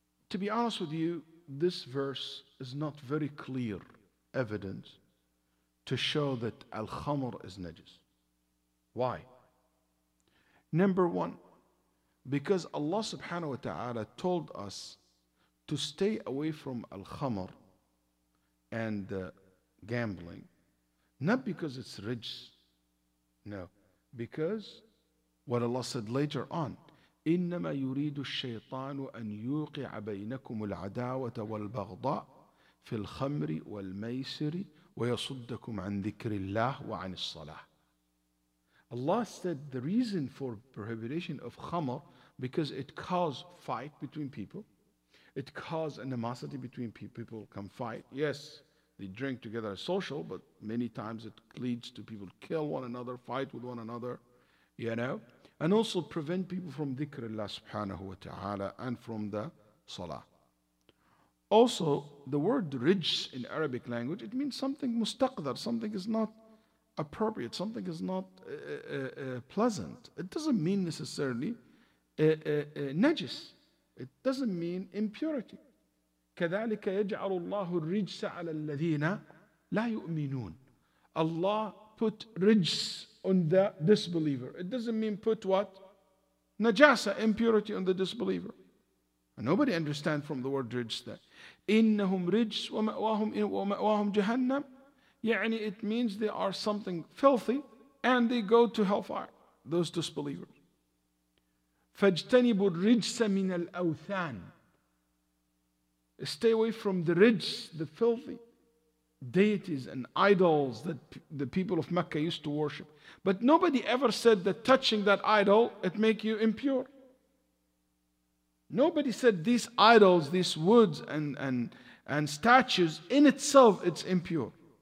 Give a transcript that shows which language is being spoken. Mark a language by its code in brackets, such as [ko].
[en] To be honest with you, this verse is not very clear evidence to show that al-khamr is najis. Why? Number one, because Allah subhanahu wa ta'ala told us to stay away from al-khamr and gambling. Not because it's rijs, no. [ar] Because what Allah said later on, إِنَّمَا يُرِيدُ الشَّيْطَانُ أَنْ يُوقِعَ بَيْنَكُمُ الْعَدَاوَةَ وَالْبَغْضَاءَ فِي الْخَمْرِ وَالْمَيْسِرِ وَيَصُدَّكُمْ عَنْ ذِكْرِ اللَّهِ وَعَنِ الصَّلَاةِ. [en] Allah said the reason for prohibition of khamr, because it caused fight between people. It caused animosity between people. People come fight, yes. They drink together as social, but many times it leads to people kill one another, fight with one another, you know, and also prevent people from dhikr Allah subhanahu wa ta'ala and from the salah. Also, the word rijs in Arabic language, it means something mustaqdar, something is not appropriate, something is not pleasant. It doesn't mean necessarily najis. It doesn't mean impurity. [ar] كذلك يجعل الله الرجس على الذين لا يؤمنون. [en] Allah put rijs on the disbeliever. It doesn't mean put what? Najasa, impurity on the disbeliever. And nobody understands from the word rijs that. [ar] إنهم رجس ومأواهم جهنم. [en] يعني it means they are something filthy and they go to hellfire, those disbelievers. [ar] فاجتنبوا الرجس من الأوثان. [en] Stay away from the rijs, the filthy deities and idols that the people of Mecca used to worship. But nobody ever said that touching that idol, it make you impure. Nobody said these idols, these woods and statues, in itself, it's impure.